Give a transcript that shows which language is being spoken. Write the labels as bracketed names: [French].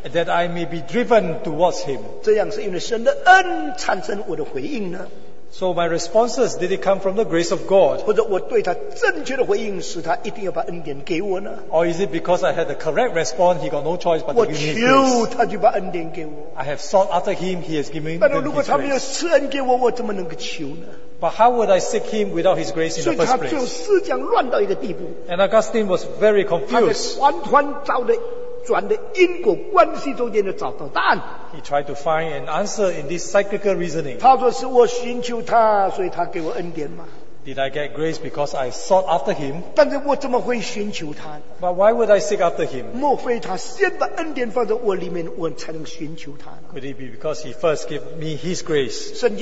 [English] that I may be driven towards him. [Chinese] 这样是因为神的恩产生我的回应呢？ [English] So my responses, did it come from the grace of God? [Chinese] 或者我对他正确的回应，使他一定要把恩典给我呢？ [English] Or is it because I had the correct response, he got no choice but to give me his grace? [Chinese] 我求他就把恩典给我。 [English] I have sought after him, he has given me his grace. [Chinese] 但如果他没有施恩给我，我怎么能够求呢？ [English] But how would I seek him without his grace in the first place? [Chinese] 所以他就思想乱到一个地步。 [English] And Augustine was very confused. [Chinese] 他在团团转的因果关系中间就找到答案。 [English] He tried to find an answer in this cyclical reasoning. [Chinese] 他说是我寻求他，所以他给我恩典嘛。 [English] Did I get grace because I sought after him? [Chinese] 但是我怎么会寻求他？ [English] But why would I seek after him? [Chinese] 莫非他先把恩典放在我里面，我才能寻求他？ [English] Could it be because he first gave me his grace?